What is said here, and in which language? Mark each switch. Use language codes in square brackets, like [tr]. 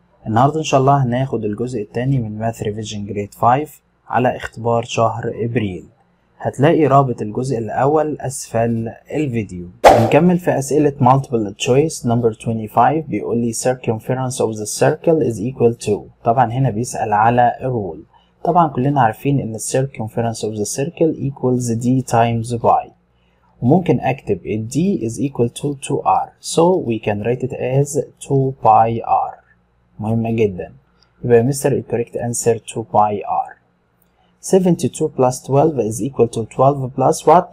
[ar] النهاردة إن شاء الله هناخد الجزء الثاني من [en] math revision grade 5 [ar] على اختبار شهر ابريل. هتلاقي رابط الجزء الاول اسفل الفيديو. نكمل في اسئلة [en] multiple choice number 25 [ar] بيقول لي [en] circumference of the circle is equal to. [ar] طبعا هنا بيسأل على rule. طبعا كلنا عارفين ان [en] circumference of the circle equals d times y. [ar] ممكن اكتب [en] d is equal to 2r, so we can write it as 2 pi r. [ar] مهمة جدا. يبقى مستر [en] the correct answer 2 pi r. 72 plus 12 is equal to 12 plus what?